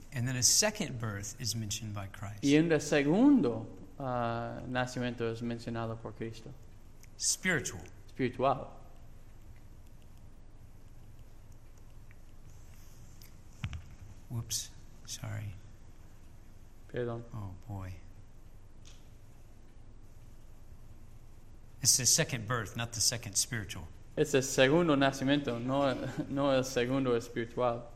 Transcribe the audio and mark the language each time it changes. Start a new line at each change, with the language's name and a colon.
English: And then a second birth is mentioned by Christ.
Spanish: Y en el segundo nacimiento es mencionado por Cristo.
English: Spiritual. Spiritual. Whoops, sorry.
Spanish: Perdón.
English: Oh boy. It's the second birth, not the second spiritual.
Spanish: Es el segundo nacimiento, no el segundo espiritual.